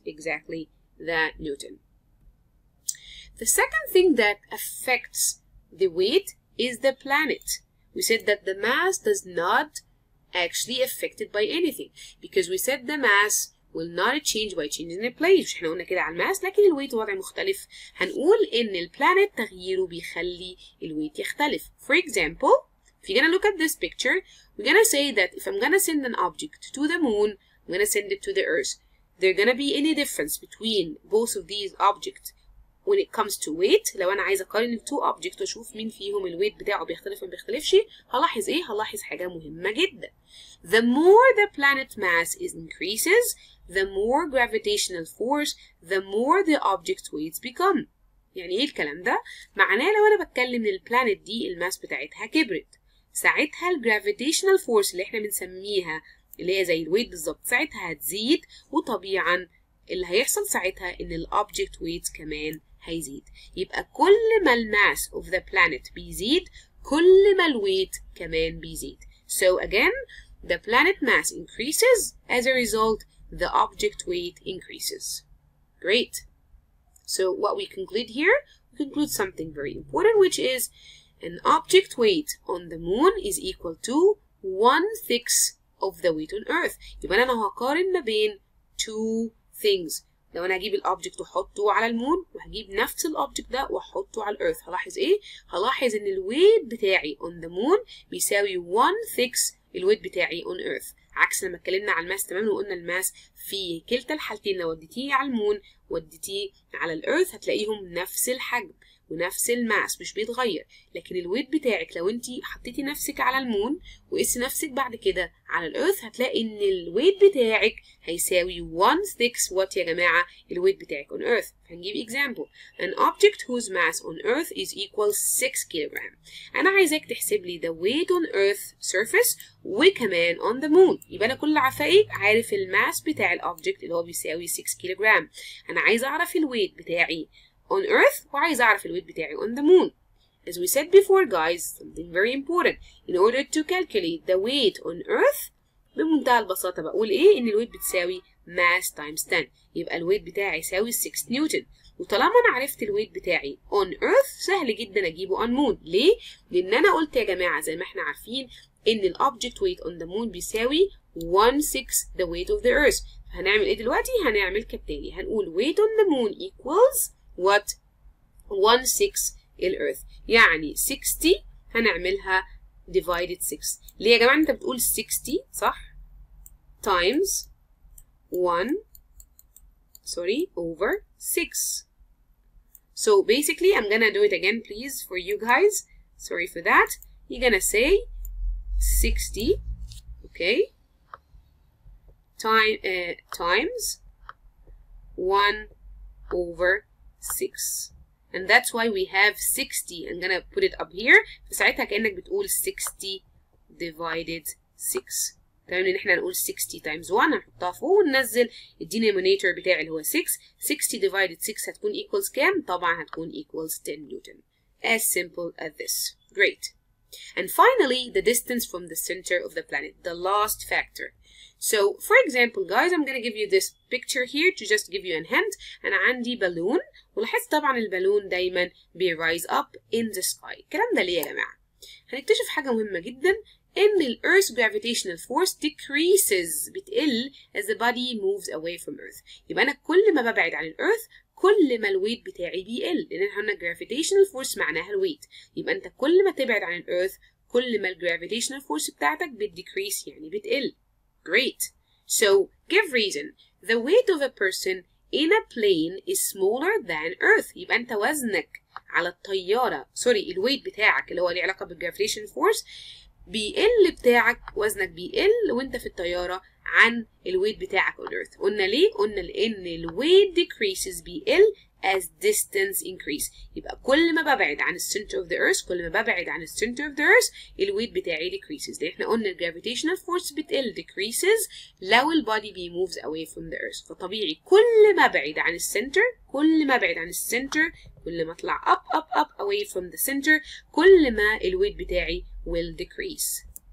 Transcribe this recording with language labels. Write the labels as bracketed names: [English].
[English] Exactly, the newton. The second thing that affects the weight is the planet. We said that the mass does not actually affect it by anything, because we said the mass will not change by changing the place. [Arabic] احنا قلنا كده على الماس, لكن الويت وضع مختلف. هنقول ان البلانيت تغييره بيخلي الويت يختلف. [English] For example, if you're gonna look at this picture, we're gonna say that if I'm gonna send an object to the moon, I'm gonna send it to the earth. There gonna be any difference between both of these objects when it comes to weight. [Arabic] لو انا عايزه اقارن التو اوبجكت واشوف مين فيهم الويت بتاعه بيختلف ولا ما بيختلفش, هلاحظ ايه؟ هلاحظ حاجه مهمه جدا. [English] The more the planet mass is increases, the more gravitational force, the more the object weights become. [Arabic] يعني ايه الكلام ده؟ معناه لو انا بتكلم ان البلانت دي الماس بتاعتها كبرت, ساعتها الجرافيتيشنال فورس اللي احنا بنسميها اللي هي زي الويت بالظبط ساعتها هتزيد, وطبيعا اللي هيحصل ساعتها ان الاوبجكت ويت كمان هيزيد. يبقى كل ما الماس اوف ذا بلانت بيزيد كل ما الويت كمان بيزيد. [English] So again, the planet mass increases, as a result the object weight increases. Great. So what we conclude here, we conclude something very important, which is an object weight on the moon is equal to 1/6 of the weight on earth. [Arabic] يبقى انا هقارن ما بين [English] two things. [Arabic] لو انا هجيب الاوبجكت واحطه على المون وهجيب نفس الاوبجكت ده واحطه على الارث, هلاحظ ايه؟ هلاحظ ان الويت بتاعي [English] on the moon [Arabic] بيساوي 1/6 الويت بتاعي [English] on earth. [Arabic] عكس لما اتكلمنا على الماس تماما وقلنا الماس في كلتا الحالتين لو وديتيه على المون وديتيه على الارث هتلاقيهم نفس الحجم ونفس الماس مش بيتغير. لكن الويت بتاعك لو انت حطيتي نفسك على المون وقست نفسك بعد كده على الارث هتلاقي ان الويت بتاعك هيساوي 1/6 وات يا جماعه الويت بتاعك [English] on earth. [Arabic] هنجيب [English] example, an object whose mass on earth is equal 6 kilogram. [Arabic] انا عايزك تحسب لي [English] the weight on earth surface [Arabic] وكمان [English] on the moon. [Arabic] يبقى انا كل عفايق عارف الماس بتاع الاوبجكت اللي هو بيساوي 6 كيلوغرام. انا عايز اعرف الويت بتاعي [English] on earth [Arabic] وعايز اعرف الويت بتاعي [English] on the moon. As we said before guys, something very important, in order to calculate the weight on earth, [Arabic] بمنتهى البساطة بقول ايه؟ ان الويت بتساوي mass times 10, يبقى الويت بتاعي يساوي 6 نيوتن. وطالما انا عرفت الويت بتاعي [English] on earth [Arabic] سهل جدا اجيبه [English] on moon. [Arabic] ليه؟ لان انا قلت يا جماعة زي ما احنا عارفين ان الobject [English] weight on the moon [Arabic] بيساوي 1/6 [English] the weight of the earth. [Arabic] هنعمل ايه دلوقتي؟ هنعمل كالتالي, هنقول [English] weight on the moon equals what 1/6 [Arabic] الارث, يعني 60 هنعملها [English] divided 6. [Arabic] ليه يا جماعة انت بتقول 60 صح؟ [English] times 1 sorry over 6. So basically I'm gonna do it again please for you guys, sorry for that. You're gonna say 60 okay time times 1 over 6, and that's why we have 60. I'm gonna put it up here. [Arabic] فساعتها كأنك بتقول 60 [English] divided 6. [Arabic] تمام, ان احنا نقول 60 times 1 هنحطها فوق وننزل الدينومينيتور بتاعي اللي هو 6. 60 [English] divided 6 [Arabic] هتكون equals كام؟ طبعا هتكون [English] equals 10 newton. As simple as this. Great. And finally the distance from the center of the planet, the last factor. So for example guys, I'm gonna give you this picture here to just give you a hint. [Arabic] انا عندي بالون, ولاحظ طبعا البالون دايما بي رايز اب ان ذا سكاي. الكلام ده ليه يا جماعه؟ هنكتشف حاجه مهمه جدا, ان الارث جرافيتيشنال فورس decreases, بتقل [English] as the body moves away from earth. [Arabic] يبقى انا كل ما ببعد عن الارث كل ما الويت بتاعي بيقل, لان احنا قلنا جرافيتيشنال فورس معناها الويت. يبقى انت كل ما تبعد عن الارث كل ما الجرافيتيشنال فورس بتاعتك بتديكريس, يعني بتقل. Great. [English] So give reason. The weight of a person in a plane is smaller than earth. [Arabic] يبقى انت وزنك على الطيارة, [English] sorry, [Arabic] الويت بتاعك اللي هو ليه علاقة بالجرافيتيشن فورس بيقل, بتاعك وزنك بيقل وانت في الطيارة عن الويت بتاعك on earth. قلنا ليه؟ قلنا لان الويت decreases, بيقل [English] as distance increase. [Arabic] يبقى كل ما ببعد عن [English] center of the earth [Arabic] كل ما ببعد عن center of the earth الويت بتاعي decreases. ده احنا قلنا gravitational force بتقل decreases لو البادي بي [English] moves away from the earth. [Arabic] فطبيعي كل ما بعد عن center كل ما بعد عن center كل ما اطلع [English] up up up away from the center [Arabic] كل ما الويت بتاعي [English] will decrease.